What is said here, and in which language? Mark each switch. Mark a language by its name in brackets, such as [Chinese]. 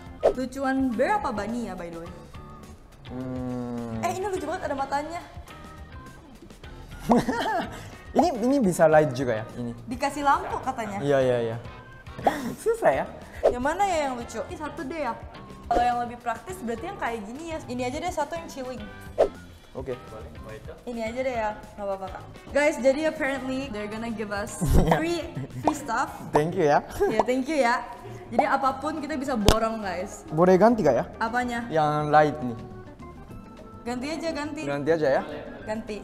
[Indonesian] Lucuan bear apa bunny ya [English] by the way? [Indonesian] Ini lucu banget ada matanya. ini bisa light juga ya ini. Dikasih lampu katanya. Iya. Susah ya. Yang mana ya yang lucu? Ini satu deh ya. Kalau yang lebih praktis berarti yang kayak gini ya. Ini aja deh satu yang chilling. Oke. Ini aja deh ya. Enggak apa-apa kak. [English] Guys, [Indonesian] jadi [English] apparently they're gonna give us free stuff. Thank you ya. Yeah, thank you [Indonesian] ya. Jadi apapun kita bisa borong guys. Boleh ganti gak ya? Apanya? Yang light nih. Ganti aja ya? Ganti.